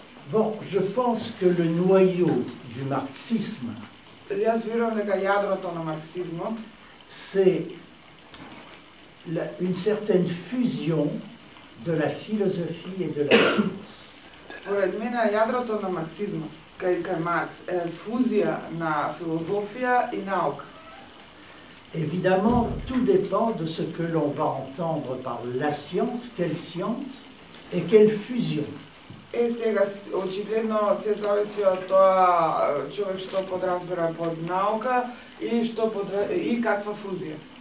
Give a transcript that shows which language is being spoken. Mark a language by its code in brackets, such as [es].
[fr] Bon, je pense que le noyau du marxisme [mk] јас верувам дека јадрото на марксизмот [fr] c'est une certaine fusion de la philosophie et de la science. [mk] Според мене јадрото на марксизмот кај Маркс е фузија на филозофија и наука. [fr] Évidemment, tout dépend de ce que l'on va entendre par la science et quelle fusion. [mk] Е, сега, очигледно, се зависи од тоа човек што подразбира под наука и што и каква фузија.